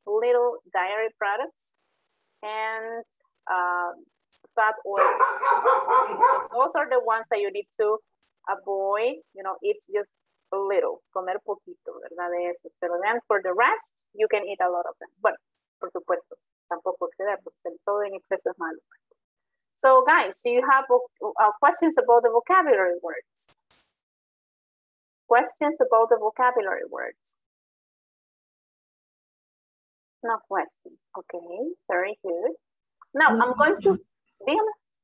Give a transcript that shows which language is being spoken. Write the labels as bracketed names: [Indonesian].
[English] Little dairy products and fat oil. Those are the ones that you need to avoid, you know, eat just a little. [Spanish] Comer poquito, ¿verdad? Pero [English] then for the rest, you can eat a lot of them. [Spanish] But, por supuesto. Tampoco exceder, porque todo en exceso es malo. [English] So, guys, do you have questions about the vocabulary words? Questions about the vocabulary words? No questions. Okay, very good. Now, no I'm question. Going to...